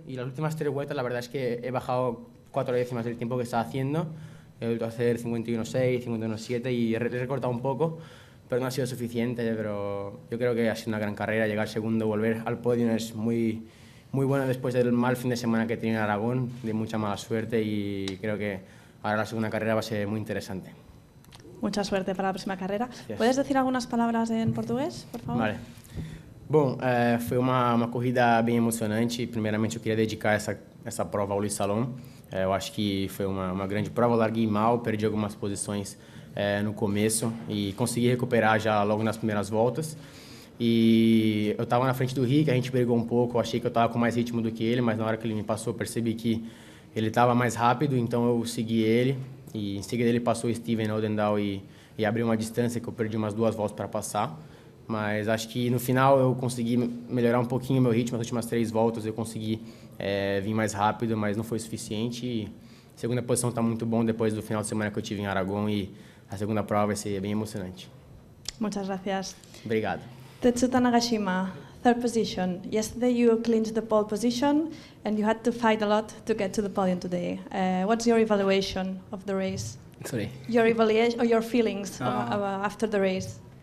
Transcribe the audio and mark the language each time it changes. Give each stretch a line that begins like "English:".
Spanish: Y las últimas tres vueltas la verdad es que he bajado 4 décimas del tiempo que estaba haciendo, he vuelto a hacer 51.6, 51.7 y he recortado un poco, pero no ha sido suficiente, pero yo creo que ha sido una gran carrera, llegar segundo, volver al podio es muy, muy bueno después del mal fin de semana que tiene en Aragón, de mucha mala suerte, y creo que ahora la segunda carrera va a ser muy interesante. Mucha suerte para la próxima carrera.
English: Yes.
Spanish: ¿Puedes decir algunas palabras en portugués, por favor? Vale.
Portuguese: Bom, foi uma corrida bem emocionante. Primeiramente, eu queria dedicar essa prova ao Luiz Salom. Eu acho que foi uma grande prova. Eu larguei mal, perdi algumas posições no começo e consegui recuperar já logo nas primeiras voltas. E eu estava na frente do Rick, a gente brigou um pouco. Eu achei que eu estava com mais ritmo do que ele, mas na hora que ele me passou, eu percebi que ele estava mais rápido. Então, eu segui ele. E em seguida, ele passou o Steven Odendal e abriu uma distância que eu perdi umas duas voltas para passar. Mas acho que no final eu consegui melhorar um pouquinho o meu ritmo. As últimas três voltas eu consegui vir mais rápido, mas não foi suficiente. E a segunda posição está muito bom depois do final de semana que eu tive em Aragão. E a segunda prova vai ser bem emocionante.
Spanish: Muchas gracias.
Portuguese: Obrigado.
English: Tetsuta Nagashima, third position. Yesterday you clinched the pole position and you had to fight a lot to get to the podium today. What's your evaluation of the race? Sorry. Your evaluation or your feelings after the race?